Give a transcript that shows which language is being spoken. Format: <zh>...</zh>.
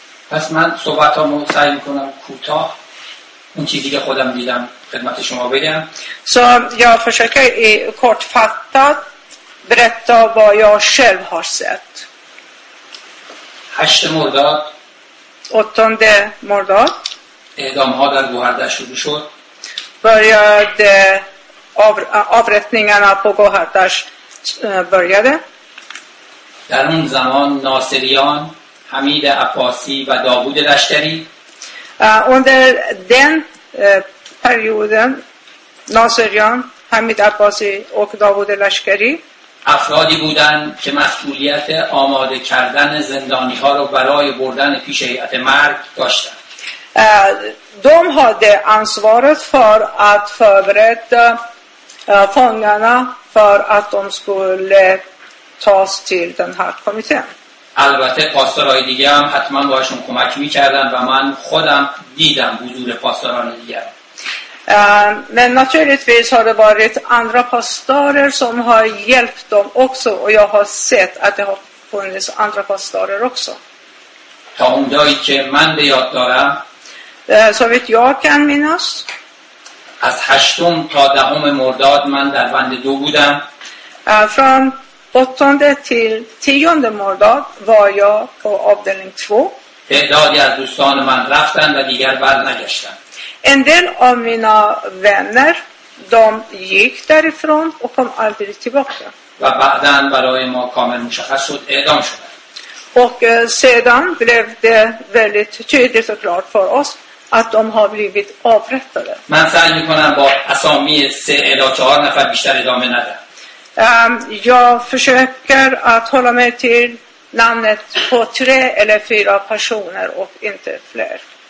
<fa>پس من صحبت هامو سعی میکنم کوتاه اون چیزی که خودم دیدم خدمت شما بگم.</fa> <sv>So, jag försöker kortfattat berätta vad jag själv har sett.</sv> <fa>هشت مرداد.</fa> <sv>Åttonde mordad.</sv> <fa>اعدام ها در گوهردش شروع شد.</fa> <sv>Började avrättningarna på Gohardash började.</sv> <fa>در اون زمان ناصریان، حمید عباسی و داوود لشکری.</fa> <sv>Under den perioden ناصریان، حمید عباسی و داوود لشکری</sv> <fa>افرادی بودند که مسئولیت آماده کردن زندانی ها رو برای بردن پیش هیئت مرگ داشتن.</fa> <sv>De hade ansvaret för att förbereda fångarna för att de skulle tas till den här kommittén.</sv> <fa>البته پاسدارهای دیگه هم حتما باشون کمک میکردن و من خودم دیدم حضور پاسداران دیگه.</fa> <sv>Men naturligtvis har det varit andra pastorer som har hjälpt dem också, och jag har sett att det har funnits andra pastorer också.</sv> <fa>تا اونجایی که من به یاد دارم.</fa> <sv>Så vet jag kan minnas.</sv> <fa>از هشتم تا دهم مرداد من در بند دو بودم.</fa> <sv>Från åttonde till tionde mordag var jag på avdelning två.</sv> <fa>تعدادی از دوستان من رفتن و دیگر بر نگشتن.</fa> <sv>En del av mina vänner, de gick därifrån och kom aldrig tillbaka.</sv> <fa>و بعدن برای ما کامل مشخص شد اعدام شدن.</fa> <sv>Och sedan blev det väldigt tydligt och klart för oss att de har blivit avrättade.</sv> <fa>من سعی میکنم با اسامی سه الا چهار نفر بیشتر ادامه ندم.</fa> <sv>Jag försöker att hålla mig till namnet på tre eller fyra personer och inte fler.</sv>